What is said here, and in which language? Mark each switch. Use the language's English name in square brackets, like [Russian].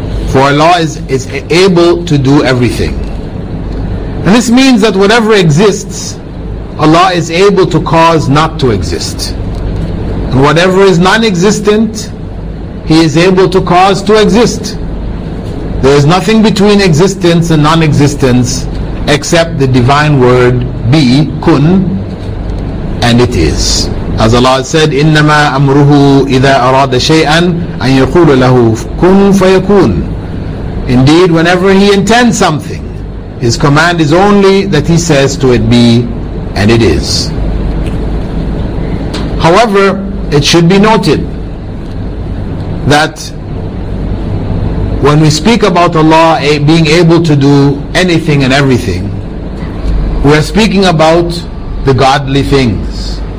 [English] For Allah is able to do everything. And this means that whatever exists, Allah is able to cause not to exist. And whatever is non-existent, He is able to cause to exist. There is nothing between existence and non-existence except the divine word be, kun, and it is. As Allah said, [Arabic] إِنَّمَا أَمْرُهُ إِذَا أَرَادَ شَيْئًا أَنْ يَقُولَ لَهُ كُنْ فَيَكُونَ. [English] Indeed, whenever He intends something, His command is only that He says to it be, and it is. However, it should be noted that when we speak about Allah being able to do anything and everything, we are speaking about the godly things.